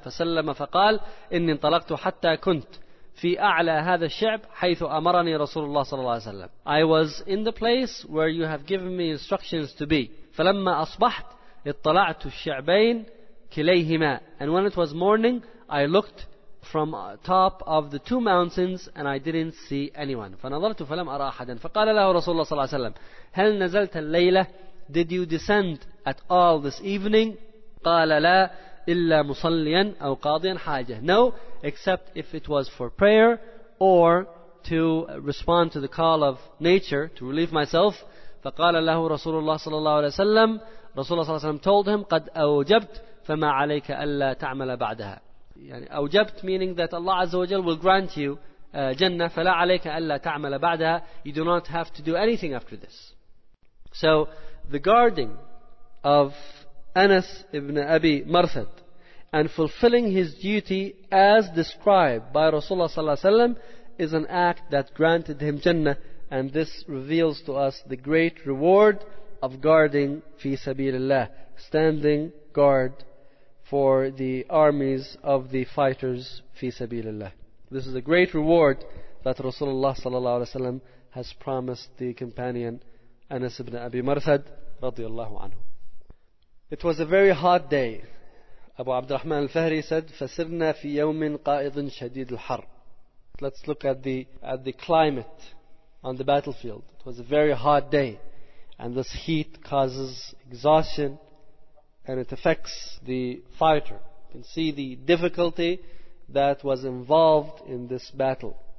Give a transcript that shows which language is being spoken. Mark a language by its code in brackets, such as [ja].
[ar] فَسَلَّمَ فَقَالَ إِنِّي انطلقت حَتَّى كُنْتُ فِي أَعْلَى هَذَا الشِّعْبِ حَيْثُ أَمَرَنِي رَسُولُ اللَّهِ صَلَّى اللَّهُ عَلَيْهِ وَسَلَّمَ. [en] I was in the place where you have given me instructions to be. [ar] فَلَمَّا أَصْبَحْتُ اطلعت الشعبين كليهما, [en] and when it was morning, I looked from top of the two mountains and I didn't see anyone. [ar] فنظرت فلم أرى أحدا. فقال له رسول الله صلى الله عليه وسلم, هل نزلت الليلة, [en] did you descend at all this evening? [ar] قال لا, إلا مصليا أو قاضيا حاجة. [en] No, except if it was for prayer or to respond to the call of nature to relieve myself. [ar] فقال له رسول الله صلى الله عليه وسلم, Rasulullah صلى الله عليه وسلم [en] told him, [ar] قد أوجبت فما عليك ألا تعمل بعدها. يعني أوجبت [en] meaning that Allah عز وجل will grant you جنة, [ar] فلا عليك ألا تعمل بعدها, [en] you do not have to do anything after this. So the guarding of Anas ibn Abi Marthad and fulfilling his duty as described by Rasulullah صلى الله عليه وسلم is an act that granted him جنة, and this reveals to us the great reward of guarding fi sabilillah, standing guard for the armies of the fighters fi sabilillah. This is a great reward that Rasulullah sallallahu alaihi wasallam has promised the companion Anas ibn Abi Marthad [ar] رضي الله عنه. [en] It was a very hot day. Abu Abdurrahman al-Fahri said, [ar] فسرنا في يوم قائض شديد الحر. [en] Let's look at the climate on the battlefield. It was a very hot day, and this heat causes exhaustion, and it affects the fighter. You can see the difficulty that was involved in this battle.